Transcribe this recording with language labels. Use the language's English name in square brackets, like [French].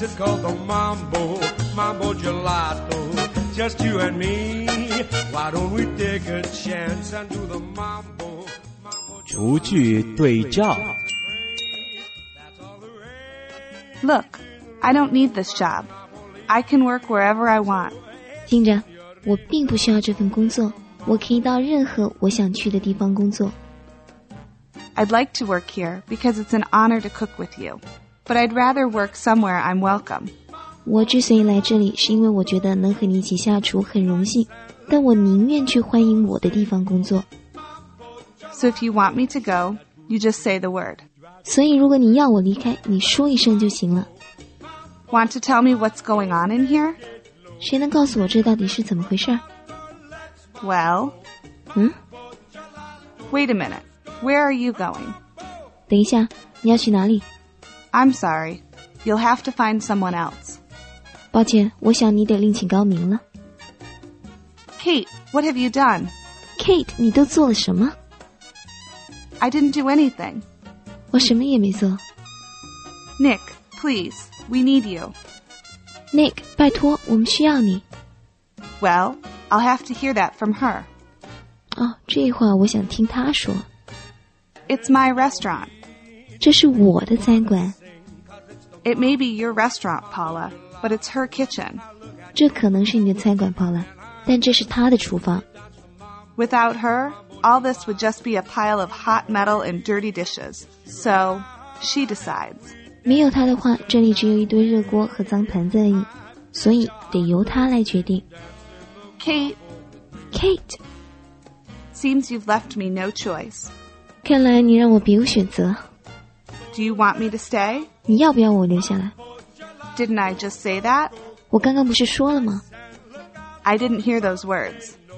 [English] It's called the Mambo, Mambo Gelato. Just you and me, why don't we take a chance and do the mambo? [Chinese] 逐句对照。 [English] Look, I don't need this job. I can work wherever I want. [Chinese] 听着，我并不需要这份工作，我可以到任何我想去的地方工作。 [English] I'd like to work here because it's an honor to cook with you, but I'd rather work somewhere I'm welcome. [Chinese] 我之所以来这里，是因为我觉得能和你一起下厨很荣幸，但我宁愿去欢迎我的地方工作。 [English] So if you want me to go, you just say the word. [Chinese] 所以如果你要我离开，你说一声就行了。 [English] Want to tell me what's going on in here? [Chinese] 谁能告诉我这到底是怎么回事？ [English] Well, 嗯？ Wait a minute. Where are you going? [Chinese] 等一下，你要去哪里？ [English] I'm sorry. You'll have to find someone else. [Chinese] 抱歉，我想你得另请高明了。 [English] Kate, what have you done? [Chinese] Kate, 你都做了什么？ [English] I didn't do anything. [Chinese] 我什么也没做。 [English] Nick, please, we need you. [Chinese] Nick, 拜托，我们需要你。 [English] Well, I'll have to hear that from her. [Chinese] 哦，这话我想听她说。 [English] It's my restaurant. [Chinese] 这是我的餐馆。 [English] It may be your restaurant, Paula. But it's her kitchen. [Chinese] 这可能是你的餐馆 Paula, 但这是她的厨房。 [English] Without her, all this would just be a pile of hot metal and dirty dishes. So, she decides. [Chinese] 没有她的话，这里只有一堆热锅和脏盆子而已，所以得由她来决定。 [English] Kate. Seems you've left me no choice. [Chinese] 看来你让我别无选择。 [English] Do you want me to stay? [Chinese] 你要不要我留下来？ [English] Didn't I just say that? [Chinese] 我刚刚不是说了吗？ [English] I didn't hear those words.